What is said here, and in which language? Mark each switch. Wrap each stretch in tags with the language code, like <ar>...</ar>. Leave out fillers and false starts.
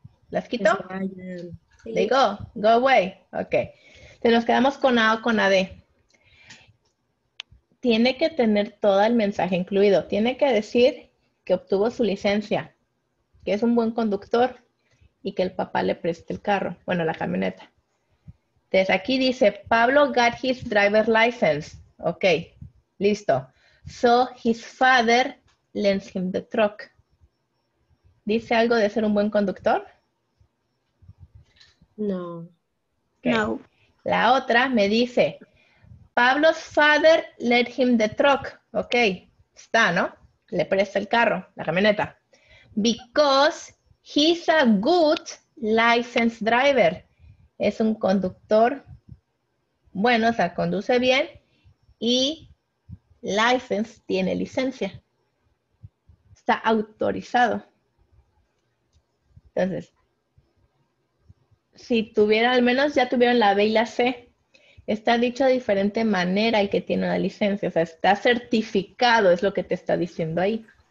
<es>¿Las quito?</es> <en>They go, go away. Ok.</en> <es>Se nos quedamos con A o con AD. Tiene que tener todo el mensaje incluido. Tiene que decir que obtuvo su licencia, que es un buen conductor y que el papá le preste el carro, bueno, la camioneta. Entonces aquí dice,</es> <en>Pablo got his driver's license. Ok, listo. So his father lends him the truck.</en> <es>¿Dice algo de ser un buen conductor? No.</es> <en>Okay.</en> <es>No. La otra me dice,</es> <en>Pablo's father let him the truck.</en> <es>Ok, está, ¿no? Le presta el carro, la camioneta.</es> <en>Because he's a good licensed driver.</en> <es>Es un conductor bueno, o sea, conduce bien. Y license, tiene licencia. Está autorizado. Entonces, si tuviera, al menos ya tuvieron la B y la C, está dicho de diferente manera el que tiene una licencia. O sea, está certificado, es lo que te está diciendo ahí.</es>